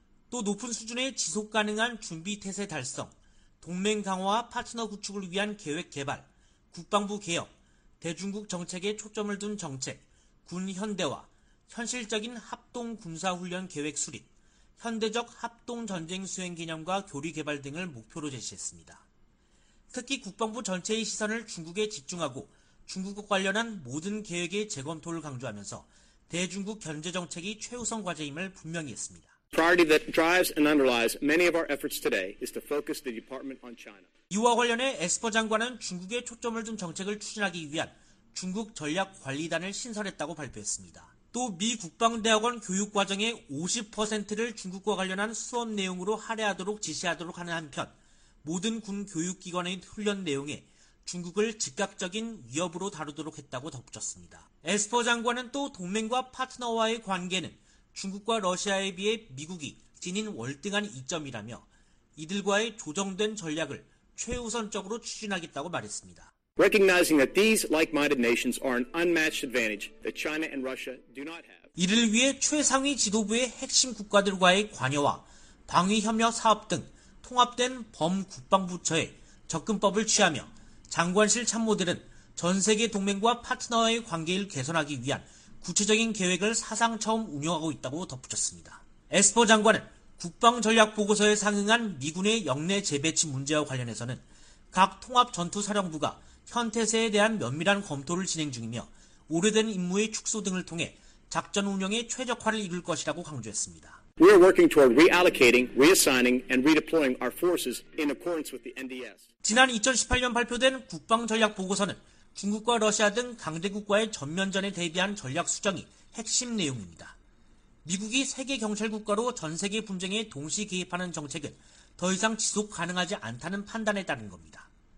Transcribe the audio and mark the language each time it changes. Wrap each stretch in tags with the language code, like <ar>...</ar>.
<ko>또 높은 수준의 지속 가능한 준비태세 달성, 동맹 강화와 파트너 구축을 위한 계획 개발, 국방부 개혁, 대중국 정책에 초점을 둔 정책, 군 현대화, 현실적인 합동 군사훈련 계획 수립, 현대적 합동 전쟁 수행 개념과 교리 개발 등을 목표로 제시했습니다. 특히 국방부 전체의 시선을 중국에 집중하고 중국과 관련한 모든 계획의 재검토를 강조하면서 대중국 견제 정책이 최우선 과제임을 분명히 했습니다.</ko> <en>Priority that drives and underlies many of our efforts today is to focus the department on China.</en> <ko>이와 관련해 에스퍼 장관은 중국에 초점을 둔 정책을 추진하기 위한 중국 전략 관리단을 신설했다고 발표했습니다. 또 미 국방대학원 교육 과정의 50%를 중국과 관련한 수업 내용으로 할애하도록 지시하도록 하는 한편 모든 군 교육기관의 훈련 내용에 중국을 즉각적인 위협으로 다루도록 했다고 덧붙였습니다. 에스퍼 장관은 또 동맹과 파트너와의 관계는 중국과 러시아에 비해 미국이 지닌 월등한 이점이라며 이들과의 조정된 전략을 최우선적으로 추진하겠다고 말했습니다.</ko> <en>Recognizing that these like-minded nations are an unmatched advantage that China and Russia do not have.</en> <ko>이를 위해 최상위 지도부의 핵심 국가들과의 관여와 방위협력 사업 등 통합된 범국방부처의 접근법을 취하며 장관실 참모들은 전 세계 동맹과 파트너와의 관계를 개선하기 위한 구체적인 계획을 사상 처음 운영하고 있다고 덧붙였습니다. 에스퍼 장관은 국방전략보고서에 상응한 미군의 역내 재배치 문제와 관련해서는 각 통합전투사령부가 현태세에 대한 면밀한 검토를 진행 중이며 오래된 임무의 축소 등을 통해 작전 운영의 최적화를 이룰 것이라고 강조했습니다.</ko> <en>We are working toward reallocating, reassigning, and redeploying our forces in accordance with the NDS.</en> <ko>지난 2018년 발표된 국방전략보고서는 중국과 러시아 등 강대국과의 전면전에 대비한 전략 수정이 핵심 내용입니다. 미국이 세계 경찰국가로 전 세계 분쟁에 동시 개입하는 정책은 더 이상 지속 가능하지 않다는 판단에 따른 겁니다.</ko>